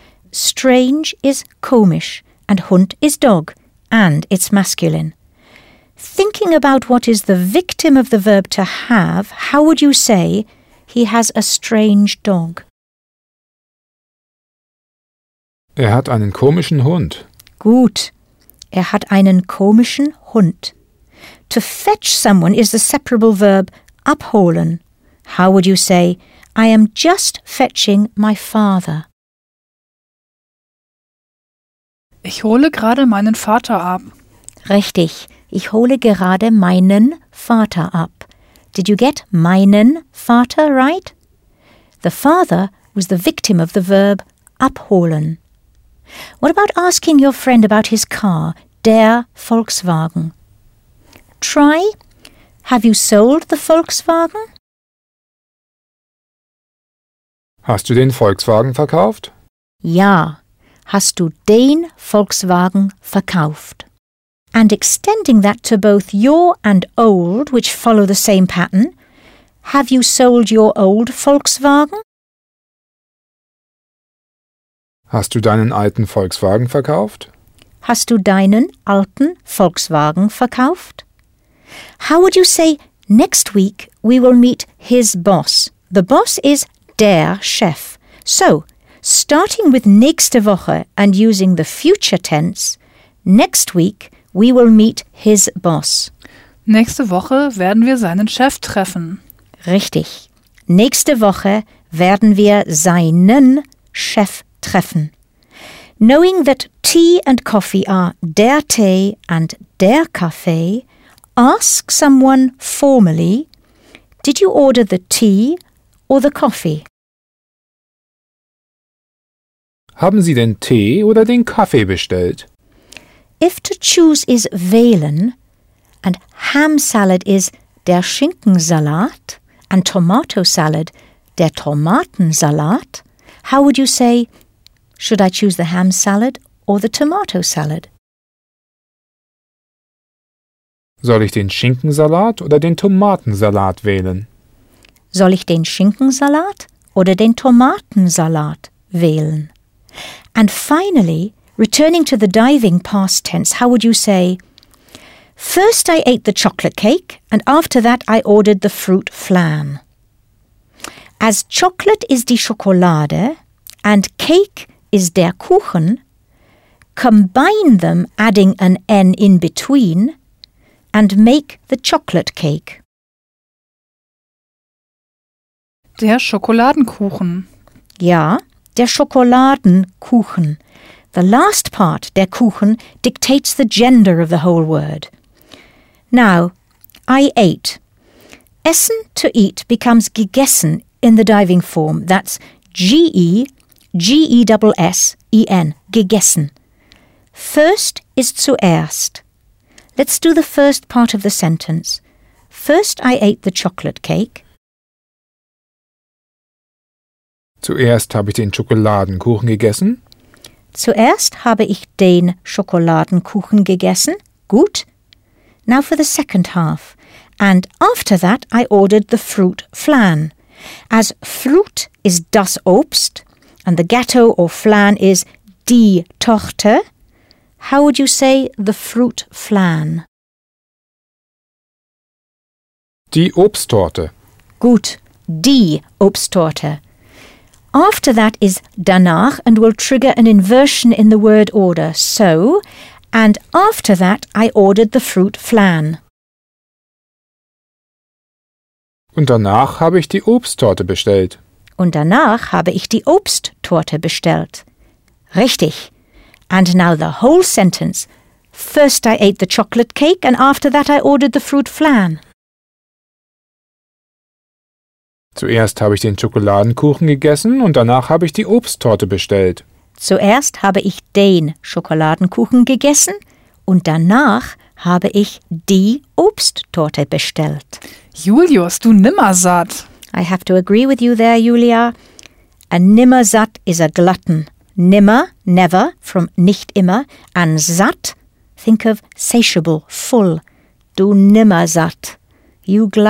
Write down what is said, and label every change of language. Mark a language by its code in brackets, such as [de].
[en] Strange is komisch, and Hund is dog, and it's masculine. Thinking about what is the victim of the verb to have, how would you say he has a strange dog? [de] Hat einen komischen Hund. Gut. Hat einen komischen Hund. [en] To fetch someone is the separable verb abholen. How would you say, I am just fetching my father? [de] Ich hole gerade meinen Vater ab. Richtig. Ich hole gerade meinen Vater ab. [en] Did you get [de] meinen Vater [en] right? The father was the victim of the verb abholen. What about asking your friend about his car, der Volkswagen? Try, have you sold the Volkswagen? [de] Hast du den Volkswagen verkauft? Ja, hast du den Volkswagen verkauft? [en] And extending that to both your and old, which follow the same pattern, have you sold your old Volkswagen? [de] Hast du deinen alten Volkswagen verkauft? Hast du deinen alten Volkswagen verkauft? [en] How would you say, next week we will meet his boss? The boss is der Chef. So, starting with [de] nächste Woche [en] and using the future tense, next week we will meet his boss. [de] Nächste Woche werden wir seinen Chef treffen. Richtig. Nächste Woche werden wir seinen Chef treffen. [en] Knowing that tea and coffee are der Tee and der Kaffee, ask someone formally, did you order the tea or the coffee? [de] Haben Sie den Tee oder den Kaffee bestellt? [en] If to choose is wählen and ham salad is der Schinkensalat and tomato salad der Tomatensalat, how would you say, should I choose the ham salad or the tomato salad? [de] Soll ich den Schinkensalat oder den Tomatensalat wählen? Soll ich den Schinkensalat oder den Tomatensalat wählen? [en] And finally, returning to the diving past tense, how would you say, first I ate the chocolate cake and after that I ordered the fruit flan. As chocolate is die Schokolade and cake is der Kuchen, combine them adding an N in between and make the chocolate cake. [de] Der Schokoladenkuchen. Ja, der Schokoladenkuchen. [en] The last part, der Kuchen, dictates the gender of the whole word. Now, I ate. Essen, to eat, becomes gegessen in the diving form. That's G-E, G-E-S-S-E-N, gegessen. First is zuerst. Let's do the first part of the sentence. First I ate the chocolate cake. [de] Zuerst habe ich den Schokoladenkuchen gegessen. Zuerst habe ich den Schokoladenkuchen gegessen. Gut. [en] Now for the second half. And after that I ordered the fruit flan. As fruit is das Obst, and the gatto or flan is die Torte. How would you say the fruit flan? [de] Die Obsttorte. Gut. Die Obsttorte. [en] After that is danach and will trigger an inversion in the word order. So, and after that I ordered the fruit flan. [de] Und danach habe ich die Obsttorte bestellt. Und danach habe ich die Obsttorte bestellt. Richtig. [en] And now the whole sentence. First I ate the chocolate cake and after that I ordered the fruit flan. [de] Zuerst habe ich den Schokoladenkuchen gegessen und danach habe ich die Obsttorte bestellt. Zuerst habe ich den Schokoladenkuchen gegessen und danach habe ich die Obsttorte bestellt. Julius, du Nimmersatt! [en] I have to agree with you there, Julia. A nimmer satt is a glutton. Nimmer, never, from nicht immer, and satt, think of satiable, full. [de] Du nimmer satt. [en] You glutton. Bravo to you, though, for tackling this sentence.